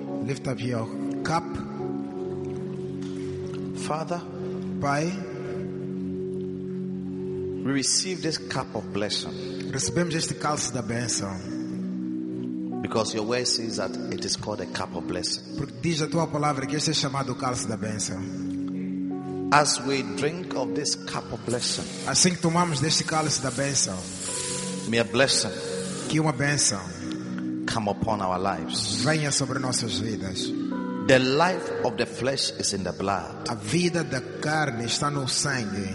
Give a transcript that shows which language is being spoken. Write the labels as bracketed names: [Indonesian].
[English] Lift up your cup. Father, [Portuguese] Pai, [English] we receive this cup of blessing. [Portuguese] Recebemos este cálice da bênção. [English] Because your word says that it is called a cup of blessing. [Portuguese] Porque diz a tua palavra que este é chamado cálice da bênção. [English] As we drink of this cup of blessing. [Portuguese] Assim que tomamos deste cálice da bênção. [English] May a blessing. [Portuguese] Que uma bênção. [English] Come upon our lives. [Portuguese] Venha sobre nossas vidas. [English] The life of the flesh is in the blood. [Portuguese] A vida da carne está no sangue.